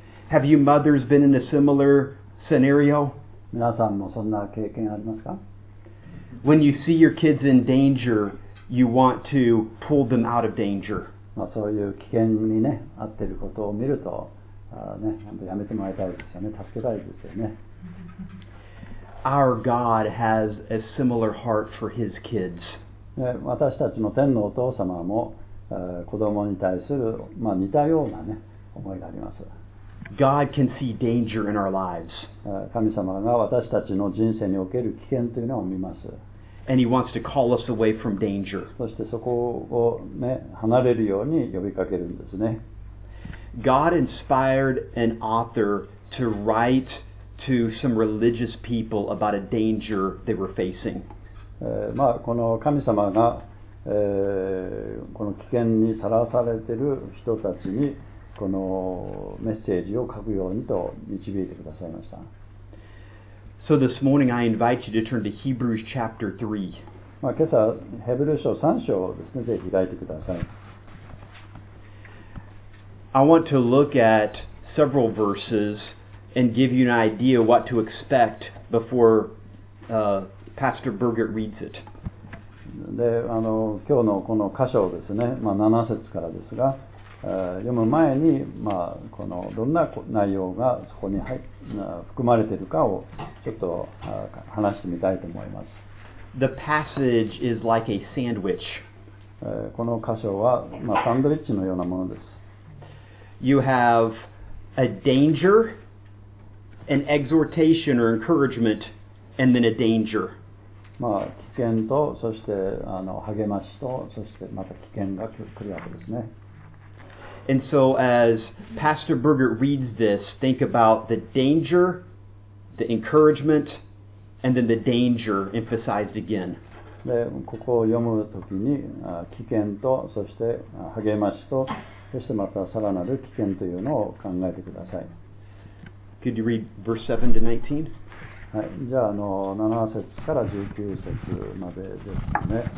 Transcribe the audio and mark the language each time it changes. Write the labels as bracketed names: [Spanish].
[English] Have you mothers been in a similar scenario? [Japanese] 皆さんもそんな経験ありますか? [English] When you see your kids in danger, you want to pull them out of danger. [Japanese] そういう危険にね、遭ってることを見ると、やめてもらいたいですよね、助けたいですよね。 [English] our God has a similar heart for his kids. [Japanese] 私たちの天のお父様も子供に対する、まあ、似たような、ね、思いがあります。 [English] God can see danger in our lives. [Japanese] 神様が私たちの人生における危険というのを見ます。 [English] And he wants to call us away from danger. [Japanese] そしてそこを、ね、離れるように呼びかけるんですね。 [English] God inspired an author to write to some religious people about a danger they were facing. [Japanese] まあ、この神様が、この危険にさらされている人たちにこのメッセージを書くようにと導いてくださいました。 [English] So this morning I invite you to turn to Hebrews chapter 3. [Japanese] まあ今朝ヘブル書3章をですね、ぜひ開いてください。 [English] I want to look at several verses and give you an idea what to expect before Pastor Birgit reads it. [Japanese] で、今日のこの箇所ですね、まあ、7節からですが、読む前に、まあ、このどんな内容がそこに含まれているかをちょっと話してみたいと思います。 [English] The passage is like a sandwich. [Japanese] この箇所は、まあ、サンドイッチのようなものです。 [English] You have a danger, an exhortation or encouragement, and then a danger.、 [Japanese] まあ、危険と、そして励ましと、そしてまた危険が来るわけですね。 [English] And so as Pastor Birgit reads this, think about the danger, the encouragement, and then the danger emphasized again. [Japanese] で、ここを読むときに、危険と、そして励ましと、そしてまたさらなる危険というのを考えてください。 [English] Could you read verse 7 to 19? [Japanese] はい。じゃあ、7節から19節までですね。